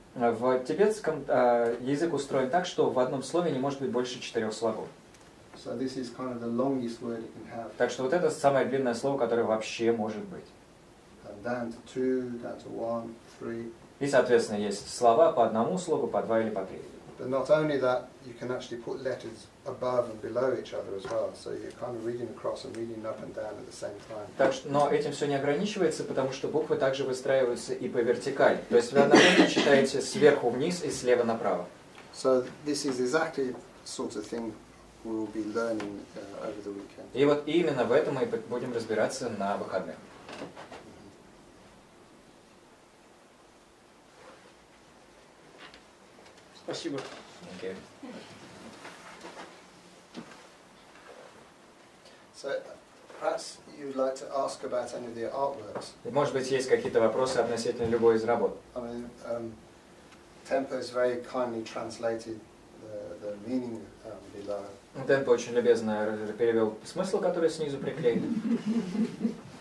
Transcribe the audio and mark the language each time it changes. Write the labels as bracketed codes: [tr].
[ru] В тибетском язык устроен так, что в одном слове не может быть больше четырех слогов. [en] So this is kind of the longest word you can have. [ru] Так что вот это самое длинное слово, которое вообще может быть. [en] And down to two, down to one, three. [ru] И, соответственно, есть слова по одному слогу, по два или по три. [en] But not only that, you can actually put letters above and below each other as well. So you're kind of reading across and reading up and down at the same time. [ru] Так что, но этим все не ограничивается, потому что буквы также выстраиваются и по вертикали. То есть вы одновременно читаете сверху вниз и слева направо. [en] So this is exactly sort of thing we'll be learning over the weekend. [ru] И вот именно в этом мы будем разбираться на выходных. Спасибо. [en] So, perhaps you'd like to ask about any of the artworks. [ru] Может быть, есть какие-то вопросы относительно любой из работ. [en] I mean, Tempo has very kindly translated the meaning below. [ru] Tempo очень любезно перевел смысл, который снизу приклеен.